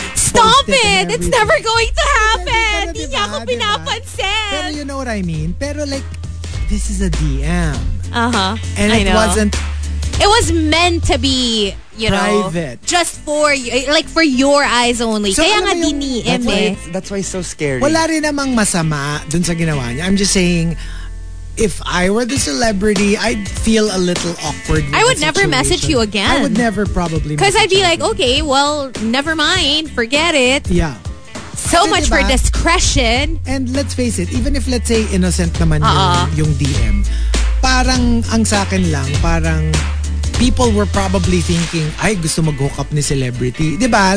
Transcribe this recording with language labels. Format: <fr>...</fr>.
<en>stop it! It's never going to happen.</en> <tl>Hindi ako pinapansin. Pero</tl> <en>you know what I mean. Pero like, this is a DM. Uh-huh. And I know. Wasn't. It was meant to be, you know, private. Just for you, like for your eyes only.</en> <tl>So, kaya nga diniim eh.</tl> <en>That's why it's so scary.</en> <tl>Wala rin namang masama dun sa ginawa niya.</tl> <en>I'm just saying, if I were the celebrity, I'd feel a little awkward. I would never message you again. I would never probably message you. Because I'd be like, okay, well, never mind. Forget it. Yeah. So much for discretion. And let's face it, even if let's say innocent</en> <tl>naman yung</tl> <en>DM,</en> <tl>parang ang sa akin lang, parang</tl> <en>people were probably thinking,</en> <tl>ay, gusto mag-hook up ni</tl> <en>celebrity.</en> <tl>Diba?</tl>